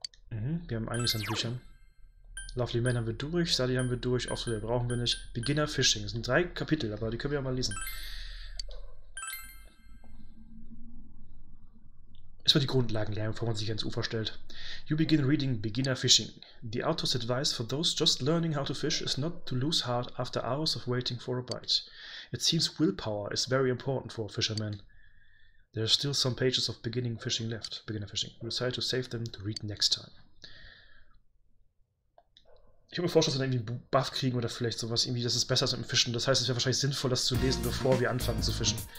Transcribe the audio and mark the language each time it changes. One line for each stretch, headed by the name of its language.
German: Mhm, wir haben einiges an Büchern. Lovely Man haben wir durch, Sadie haben wir durch, Offroad brauchen wir nicht. Beginner Fishing. Das sind drei Kapitel, aber die können wir ja mal lesen. Erstmal die Grundlagen lernen, bevor man sich ans Ufer stellt.
English: You begin reading Beginner Fishing. The author's advice for those just learning how to fish is not to lose heart after hours of waiting for a bite. It seems willpower is very important for a fisherman. There are still some pages of beginning fishing left. Beginner fishing. We decided to save them to read next time.
German: Ich habe mir vorgestellt, dass wir irgendwie einen Buff kriegen oder vielleicht sowas, irgendwie, dass es besser ist mit dem Fischen. Das heißt, es wäre wahrscheinlich sinnvoll, das zu lesen, bevor wir anfangen zu fischen.